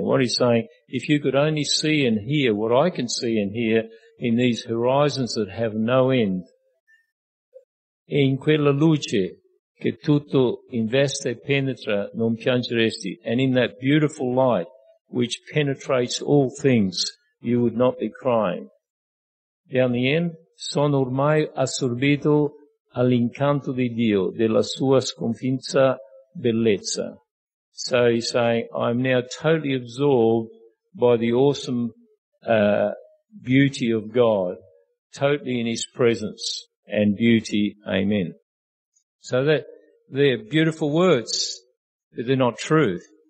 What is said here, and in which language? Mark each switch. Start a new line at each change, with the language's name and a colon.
English: What he's saying, if you could only see and hear what I can see and hear in these horizons that have no end,
Italian: in quella luce che tutto investe e penetra, non piangeresti,
English: and in that beautiful light which penetrates all things, you would not be crying. Down the end,
Italian: sono ormai assorbito all'incanto di Dio, della sua sconfinta bellezza.
English: So he's saying, I'm now totally absorbed by the awesome beauty of God, totally in his presence and beauty, amen. So they're beautiful words, but they're not truth.